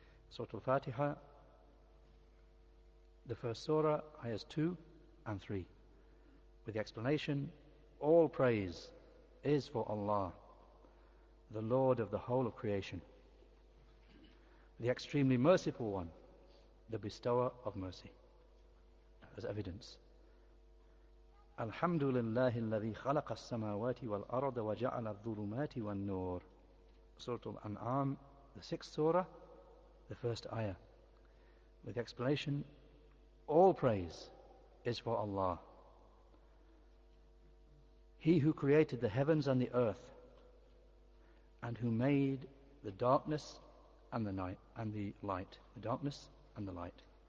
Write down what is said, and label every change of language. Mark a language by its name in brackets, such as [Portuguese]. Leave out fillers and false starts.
[English] Surah Al-Fatiha, the first surah, ayahs 2 and 3. With the explanation, all praise is for Allah, the Lord of the whole of creation, the extremely merciful one, the bestower of mercy, as evidence. [Arabic] الحمد لله الذي خلق السماوات والأرض وجعل الظلمات والنور. [English] سورة الأنعام, the sixth surah, the first ayah. With the explanation, all praise is for Allah. He who created the heavens and the earth, and who made the darkness and the night and the light, the darkness and the light.